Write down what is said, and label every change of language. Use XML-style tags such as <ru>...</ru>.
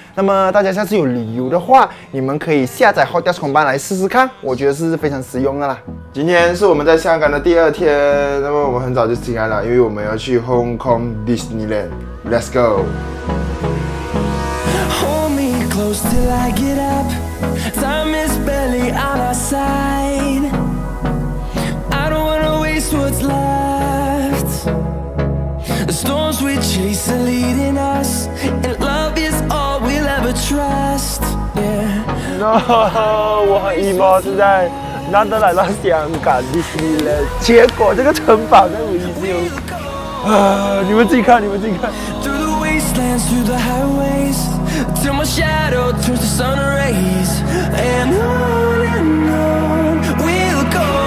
<zh>那么大家下次有旅游的话，你们可以下载 Hotels Combined 来试试看，我觉得是非常实用的啦。今天是我们在香港的第二天，那么我们很早就起来了，因为我们要去 Hong Kong</zh> <en>DisneylandLet's go. Hold me close till I get up. Time is barely on our side. I don't wanna waste what's left. The storms we chase are leading us, and love is all we'll ever trust. Yeah. No,</en> <zh>我很 emo， 是在难得来到香港迪士尼了，结果这个城堡在维修。你们自己看，你们自己看。</zh> <en>Through the wastelands, through the highways, till my shadow turns to sun rays, and on and on we'll go.</en>